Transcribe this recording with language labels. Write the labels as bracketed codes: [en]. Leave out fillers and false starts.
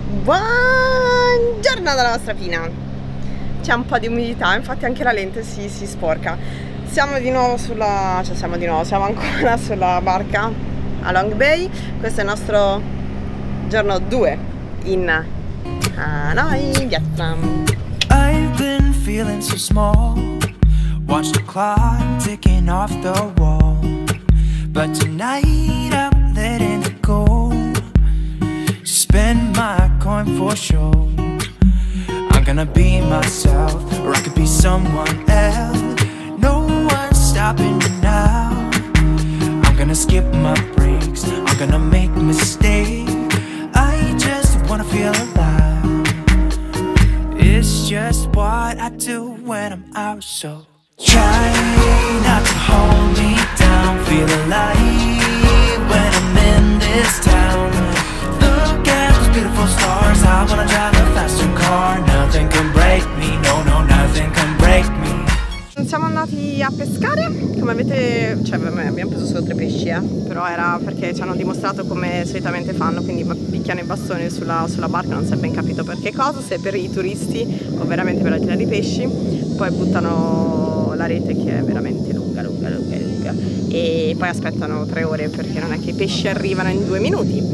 [it] Buongiorno dalla vostra Pina. C'è un po' di umidità, infatti anche la lente si sporca. Siamo ancora sulla barca a Long Bay. Questo è il nostro giorno 2 in Hanoi, Vietnam. [en] I've been feeling so small. Watch the clock ticking off the wall. But tonight I'm letting it go. Spend my coin for show. I'm gonna be myself, or I could be someone else. No one's stopping me now. I'm gonna skip my breaks, I'm gonna make mistakes. I just wanna feel alive. It's just what I do when I'm out, so try not to hold me down. Feel alive when I'm in this town. Look at those beautiful stars. I wanna drive a faster car. Nothing can break me. No, no, nothing can break me. [it] Siamo andati a pescare, come avete, cioè abbiamo preso solo 3 pesci, però era perché ci hanno dimostrato come solitamente fanno, quindi picchiano i bastoni sulla barca, non si è ben capito per che cosa, se per i turisti o veramente per la tira di pesci, poi buttano la rete che è veramente lunga, lunga, lunga, lunga, e poi aspettano 3 ore perché non è che i pesci arrivano in 2 minuti.